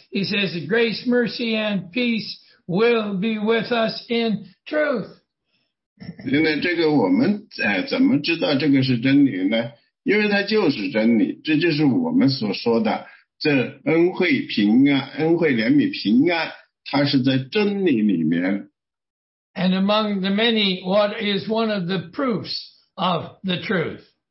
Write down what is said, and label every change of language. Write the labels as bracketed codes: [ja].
[en] He says grace, mercy, and peace will be with us in truth. [zh] 因为这个我们怎么知道这个是真理呢？因为它就是真理，这就是我们所说的这恩惠、平安、恩惠、怜悯、平安，它是在真理里面。 [en] And among the many, what is one of the proofs of the truth?